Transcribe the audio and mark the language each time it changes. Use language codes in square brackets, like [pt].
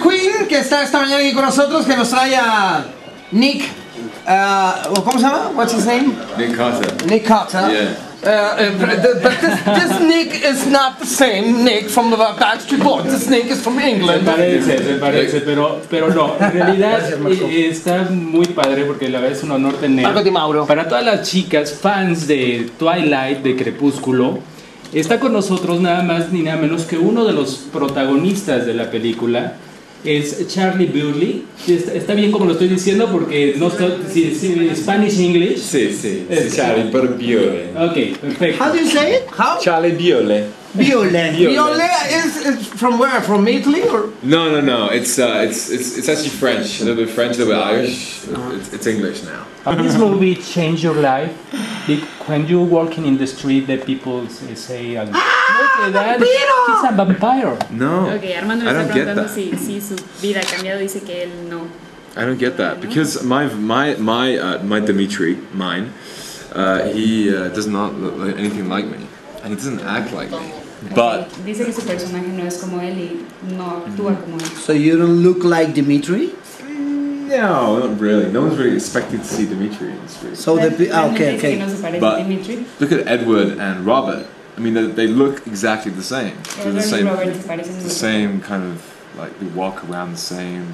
[es] Queen, que está esta mañana aquí con nosotros, que nos trae a Nick. ¿Cómo se llama? [en] What's his name? [es] Nick Carter. Nick Carter. [en] Yeah. But this Nick is not the same Nick from the Backstreet Boys. This Nick is from England. [es] Se parece, pero no. En realidad está muy padre porque la verdad es un honor tener. Marco Di Mauro. Para todas las chicas fans de Twilight, de Crepúsculo, está con nosotros nada más ni nada menos que uno de los protagonistas de la película. Es Charlie Bewley. Está bien como lo estoy diciendo porque no está Spanish English. Sí, sí. Es Charlie Bewley. Okay, perfecto. [en] How do you say it? How? Charlie Bewley. Bewley. Bewley is from where? From Italy or? No. It's actually French. A little bit French, a little bit Irish. It's English now. This movie changed your life. When you're walking in the street, the people say, look at that, he's a vampire. No. [es] Okay, Armando me [en] I don't [es] está preguntando si su vida ha cambiado, dice que él no. [en] I don't get that because my Dimitri, mine, he does not look like anything like me and he doesn't act like me. But [es] dice que su personaje no es como él y no actúa como él. [en] So you don't look like Dimitri? No, not really. No one's really expecting to see Dimitri in the street. So okay. But look at Edward and Robert. I mean, they look exactly the same. They're the same. The same kind of like they walk around the same.